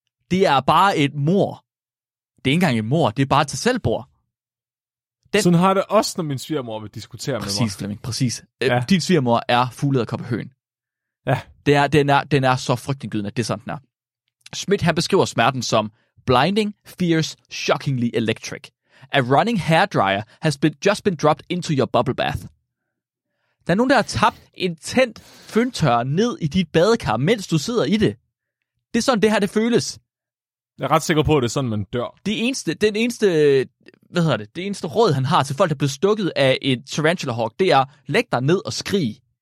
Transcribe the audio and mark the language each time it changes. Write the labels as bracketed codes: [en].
[da] Det er bare et mor. Det er ikke engang et mor, det er bare et sig selv bor. Sådan har det også, når min svigermor vil diskutere præcis, med mig. Flemming, præcis, Flemming. Ja. Din svigermor er fugleedderkoppehøen. Ja. Den er så frygtindgydende, at det er sådan, den er. Schmidt, han beskriver smerten som [en] blinding, fierce, shockingly electric. A running hairdryer has just been dropped into your bubble bath. [da] Der er nogen, der har tabt en tændt føntørre ned i dit badekar, mens du sidder i det. Det er sådan, det her, det føles. Jeg er ret sikker på, at det er sådan, man dør. Det eneste råd, han har til folk, der er blevet stukket af et tarantula hawk, det er, læg dig ned og skrig.